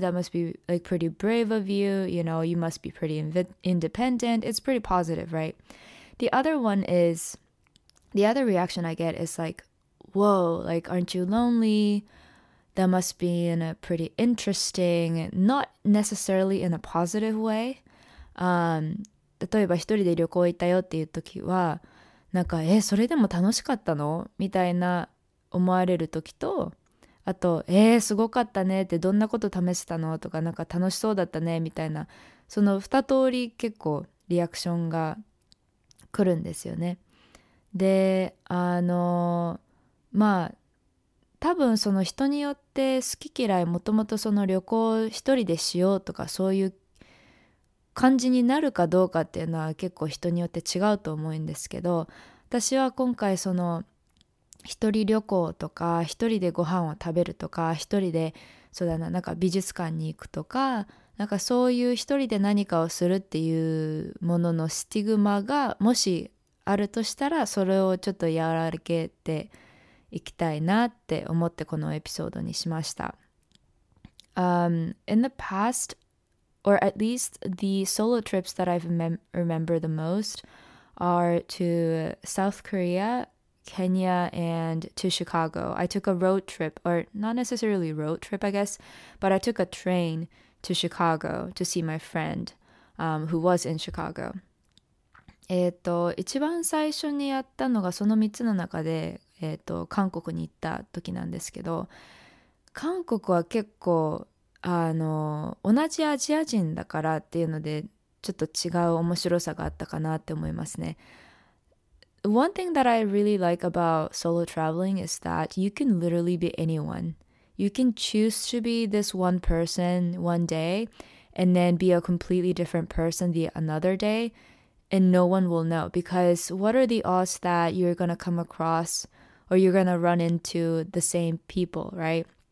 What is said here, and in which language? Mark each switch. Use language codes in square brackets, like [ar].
[en] That must be like pretty brave of you. You know, you must be pretty independent. It's pretty positive, right? The other reaction I get is like, whoa, like, aren't you lonely? That must be pretty interesting, not necessarily in a positive way. [ja] 例えば一人で旅行行ったよっていう時は、なんか、それでも楽しかったの? みたいな思われる時と、あと、すごかったねって、どんなこと試せたの? とか、なんか楽しそうだったねみたいな、その二通り結構リアクションが来るんですよね。で、まあ多分その人によって好き嫌い、もともとその旅行一人でしようとかそういう感じになるかどうかっていうのは結構人によって違うと思うんですけど、私は今回その一人旅行とか一人でご飯を食べるとか、一人でそうだな、なんか美術館に行くとか、なんかそういう一人で何かをするっていうもののスティグマがもしあるとしたら、それをちょっと和らげて行きたいなって思ってこのエピソードにしました。 [en] In the past, or at least the solo trips that I remember the most are to South Korea, Kenya, and to Chicago. I took a road trip, or not necessarily road trip, I guess, but I took a train to Chicago to see my friend, who was in Chicago. [ja] 一番最初にやったのがその3つの中で、韓国に行った時なんですけど、韓国は結構同じアジア人だからっていうので、ちょっと違う面白さがあったかなって思いますね。 [en] One thing that I really like about solo traveling is that you can literally be anyone. You can choose to be this one person one day and then be a completely different person the another day. And no one will know, because what are the odds that you're gonna come across or you're gonna run into the same people, right?